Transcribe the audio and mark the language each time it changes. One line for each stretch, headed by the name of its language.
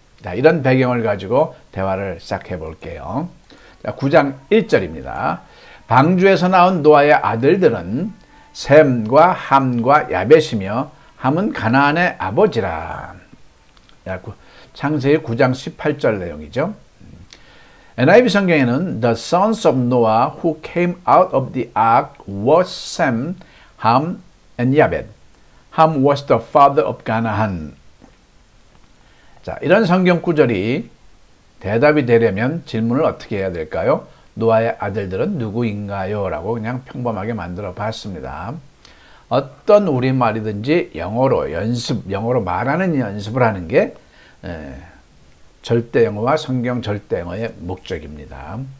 Korean: 자, 이런 배경을 가지고 대화를 시작해 볼게요. 자, 9장 1절입니다. 방주에서 나온 노아의 아들들은 셈과 함과 야벳이며 함은 가나안의 아버지라. 자, 창세기 9장 18절 내용이죠. NIV 성경에는
English: The sons of Noah who came out of the ark was Sem, Ham, and Yabed. Ham was the father of Canaan.
Korean: 자, 이런 성경 구절이 대답이 되려면 질문을 어떻게 해야 될까요? 노아의 아들들은 누구인가요? 라고 그냥 평범하게 만들어 봤습니다. 어떤 우리말이든지 영어로 연습, 영어로 말하는 연습을 하는 게 절대 영어와 성경 절대 영어의 목적입니다.